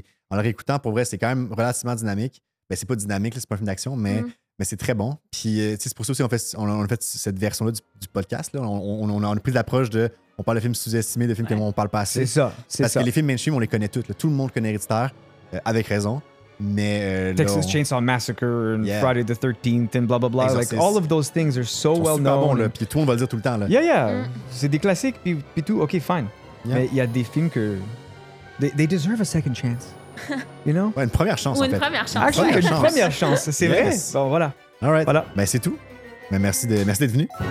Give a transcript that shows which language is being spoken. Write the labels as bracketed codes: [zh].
[fr] En le réécoutant, pour vrai, c'est quand même relativement dynamique. Ben, c'est pas dynamique, là, c'est pas un film d'action, mais c'est très bon. Puis c'est pour ça aussi qu'on a fait cette version-là du podcast. Là. On a pris l'approche de... On parle de films sous-estimés, de films que on parle pas assez. C'est ça. Que les films mainstream, on les connaît tous. Là. Tout le monde connaît Hereditaire, avec raison. Mais [en] Texas Chainsaw Massacre and Friday the 13th and blah blah blah. Like all of those things are so well known. [fr] C'est super bon, puis tout on va le dire tout le temps là. C'est des classiques puis tout. [en] Ok, fine. Yeah. [fr] Mais il y a des films que [en] they deserve a second chance. You know? [fr] Ouais, une première chance. Ou en une fait. Première chance. Actually, une première chance. C'est vrai. Bon voilà. [en] All right. [fr] Voilà. Ben c'est tout. Mais merci d'être venu.